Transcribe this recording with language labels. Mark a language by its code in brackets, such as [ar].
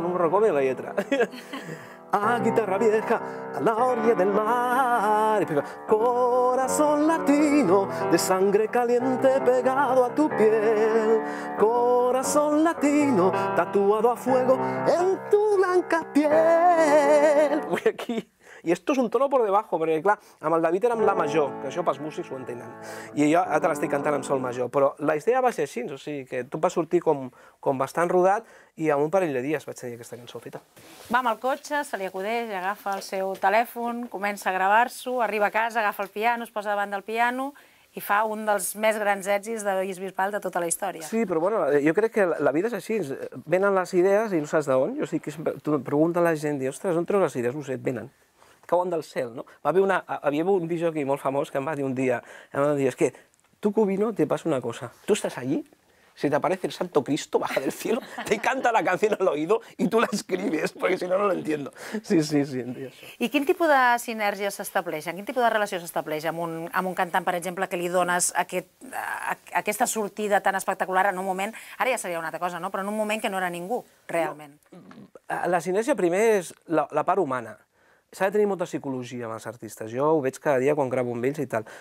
[ca] No me recordo la lletra. [es] A guitarra vieja, a la orilla del mar. Corazón latino, de sangre caliente pegado a tu piel. Corazón latino, tatuado a fuego en tu blanca piel. Voy aquí. [ca] I [es] esto es un tono por debajo, [ca] perquè, clar, amb el David era amb la major, que això pels músics ho entenen. I jo ara l'estic cantant amb sol major. Però la idea va ser així, o sigui, que tot va sortir com bastant rodat i en un parell de dies vaig tenir aquesta cançó feta. Va amb el cotxe, se li acudeix, agafa el seu telèfon, comença a gravar-s'ho, arriba a casa, agafa el piano, es posa davant del piano i fa un dels més grans èxits de David Bisbal de tota la història. Sí, però bueno, jo crec que la vida és així. Venen les idees i no saps d'on. Jo sí que pregunta la gent, dius, ostres, on treus les idees? No sé, venen. Cauen del cel, no? Havia un DJ molt famós que em va dir un dia, és que tu, Cubino, te passa una cosa. Tu estàs allí, si t'apareix [es] el Santo Cristo, baja del cielo, te canta la canción al oído y tú la escribes, porque si no, no lo entiendo. [ca] Sí, sí, sí. I quin tipus de sinergia s'estableix? Quin tipus de relació s'estableix amb un cantant, per exemple, que li dones aquesta sortida tan espectacular en un moment? Ara ja seria una altra cosa, no? Però en un moment que no era ningú, realment. La sinergia, primer, és la part humana. S'ha de tenir molta psicologia amb els artistes. Jo ho veig cada dia quan gravo amb ells i tal.